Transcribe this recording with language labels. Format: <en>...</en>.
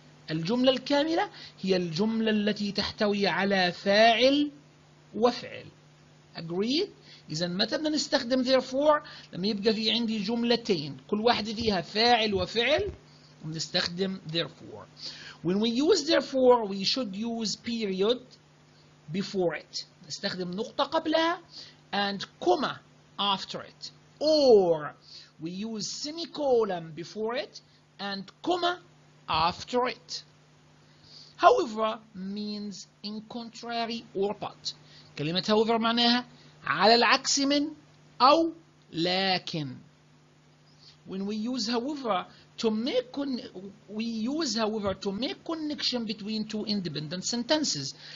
<ar>الجملة الكاملة هي الجملة التي تحتوي على فاعل وفعل.</ar> <en>Agreed?</en> <ar>إذن متى بدنا نستخدم therefore؟ لما يبقى في عندي جملتين كل واحدة فيها فاعل وفعل ونستخدم therefore.</ar> <en>When we use therefore we should use period before it.</en> <ar>نستخدم نقطة قبلها</ar> <en>and comma after it. Or we use semicolon before it and comma after it. However means in contrary or but.</en> <ar>كلمة however معناها على العكس من أو لكن.</ar> <en>When we use however to make connection between two independent sentences.</en>